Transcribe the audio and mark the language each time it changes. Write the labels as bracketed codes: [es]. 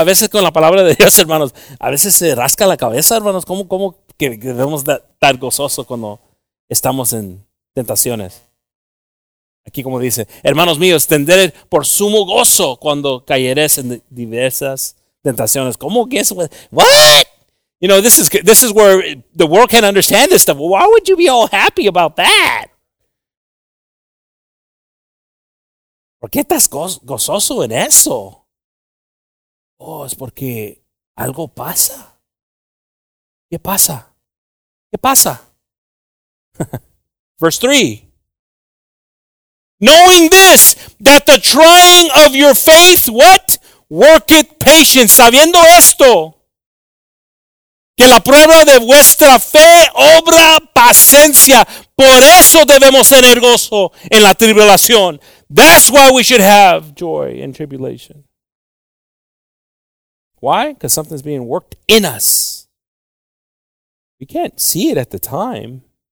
[es] A veces con la palabra de Dios, hermanos, a veces se rasca la cabeza, hermanos. ¿Cómo que debemos estar gozosos cuando estamos en tentaciones? Aquí como dice, hermanos míos, tended por sumo gozo cuando cayeres en diversas tentaciones. ¿Cómo que eso? [en] What? You know, this is where the world can't understand this stuff. Why would you be all happy about that? [es] ¿Por qué estás gozoso en eso? Oh, es porque algo pasa. ¿Qué pasa? ¿Qué pasa? [en] Verse 3. Knowing this, that the trying of your faith, what? Worketh patience. [es] Sabiendo esto. Que la prueba de vuestra fe obra paciencia. Por eso debemos tener gozo en la tribulación. [en] That's why we should have joy in tribulation. Why? Because something's being worked in us. We can't see it at the time.